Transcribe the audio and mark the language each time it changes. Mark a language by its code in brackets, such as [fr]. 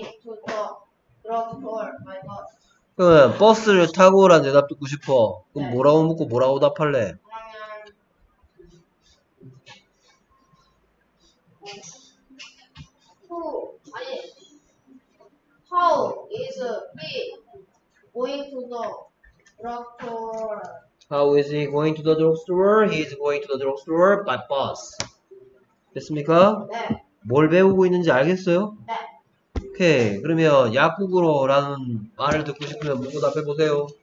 [en] He is going to the drugstore by bus. [ko] 그러면 버스를 타고 오라는 대답 듣고 싶어. 그럼 네. 뭐라고 묻고 뭐라고 답할래? 그러면 [en] who 아니 how is he going to the drugstore? How is he going to the drugstore? He is going to the drugstore by bus. [ko] 됐습니까? 네. 뭘 배우고 있는지 알겠어요? 네. 오케이. 그러면 약국으로라는 말을 듣고 싶으면 뭐고 답해 보세요.